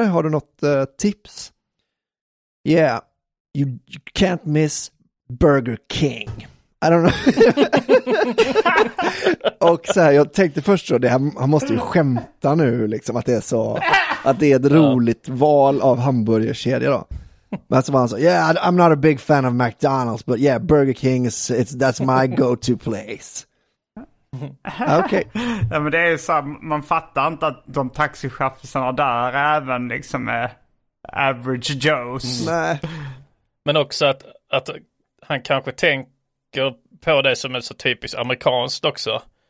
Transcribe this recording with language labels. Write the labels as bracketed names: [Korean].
[Swedish] Har du något tips? [English] Yeah, you can't miss Burger King. I don't know. [Swedish] Och så här, jag tänkte först då, han måste ju skämta nu liksom att det är så... Att det är ett roligt val av hamburgerkedja då. Men så var han så, [English] yeah, I'm not a big fan of McDonald's, but yeah, Burger King, that's my go-to place. [Swedish] Okej. [English] Okay. [Swedish] Ja, men det är så här, man fattar inte att de taxichaufförerna där även liksom är average Joes. Nej. Men också att han kanske tänker på det som är så typiskt amerikanskt också.